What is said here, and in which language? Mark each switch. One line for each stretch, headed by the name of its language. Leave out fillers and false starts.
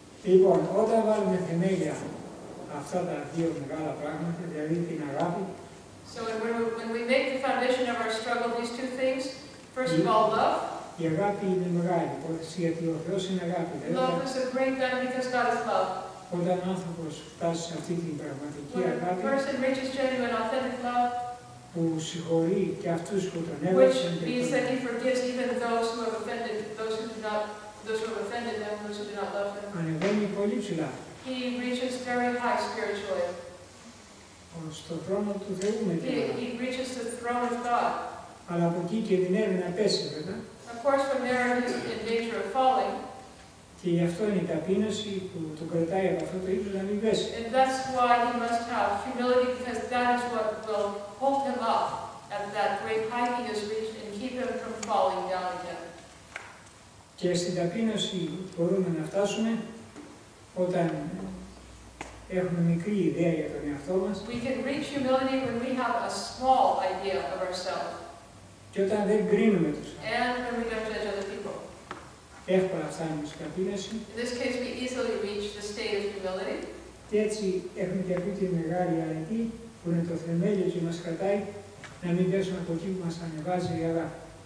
Greek: Λοιπόν, όταν βάλουμε θεμέλια αυτά τα δύο μεγάλα πράγματα, δηλαδή την αγάπη.
English: So when we make the foundation of our struggle these two things, first of all love.
Greek: Η αγάπη είναι μεγάλη, γιατί ο Θεός είναι αγάπη.
English: Love is a great thing because God is love.
Greek: Όταν ο άνθρωπος φτάσει σε αυτή την πραγματική αγάπη.
English: When a person reaches genuine authentic love.
Greek: Που συγχωρεί και αυτούς που τον έβαλαν.
English: Which means that he forgives even those who have offended, those who have offended him, those who do not love him.
Greek: Ανεβαίνει πολύ ψηλά.
English: He reaches very high spiritually.
Greek: Στο θρόνο του Θεού με
English: he reaches the throne of God.
Greek: Αλλά από εκεί και την έρευνα πέσει, βέβαια.
English: Of course, from there he's in danger of falling.
Greek: Και γι' αυτό είναι η ταπείνωση που το κρατάει από αυτό το ύψος να μην πέσει.
English: And that's why he must have humility, because that is what will hold him up at that great height he has reached and keep him from falling down again.
Greek: Και στην ταπείνωση μπορούμε να φτάσουμε όταν έχουμε μικρή ιδέα για τον εαυτό μας.
English: We can reach humility when we have a small idea of ourselves.
Greek: Και όταν δεν κρίνουμε τους άλλους.
English: And when we don't judge other people.
Greek: Εύκολα φτάνουμε στην ταπείνωση.
English: In this case we easily reach the state of humility.
Greek: Και έτσι έχουμε και αυτή τη μεγάλη αρετή που είναι το θεμέλιο και μας κρατάει να μην πέσουμε από εκεί που μας ανεβάζει η αγάπη.